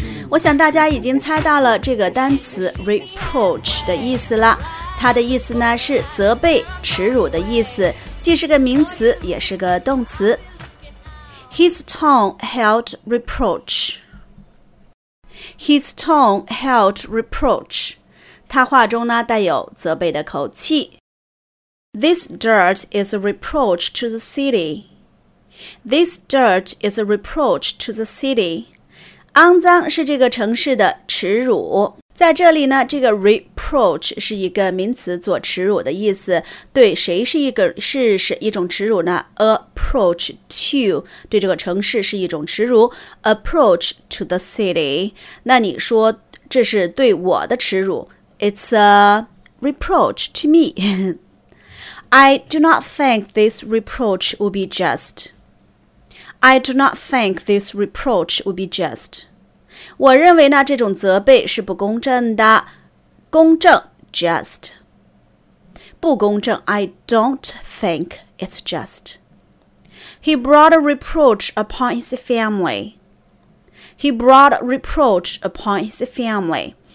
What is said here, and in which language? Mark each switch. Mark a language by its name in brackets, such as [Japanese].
[Chinese] 我想大家已经猜到了这个单词 reproach 的意思了，它的意思呢是责备、耻辱的意思，既是个名词也是个动词。 [English] His tone held reproach. His tone held reproach. [Chinese] 他话中呢带有责备的口气。 [English] This dirt is a reproach to the city. This dirt is a reproach to the city. [Chinese] 肮脏是这个城市的耻辱。在这里呢，这个 reproach 是一个名词，做耻辱的意思。对谁是一个一种耻辱呢？Approach to 对这个城市是一种耻辱。 [English] Approach to the city， [Chinese] 那你说这是对我的耻辱？ [English] It's a reproach to me. I do not think this reproach will be just. I do not think this reproach would be just. [Chinese] 我认为呢，这种责备是不公正的。 [English] 公正 just. 不公正 I don't think it's just. He brought a reproach upon his family. He brought a reproach upon his family.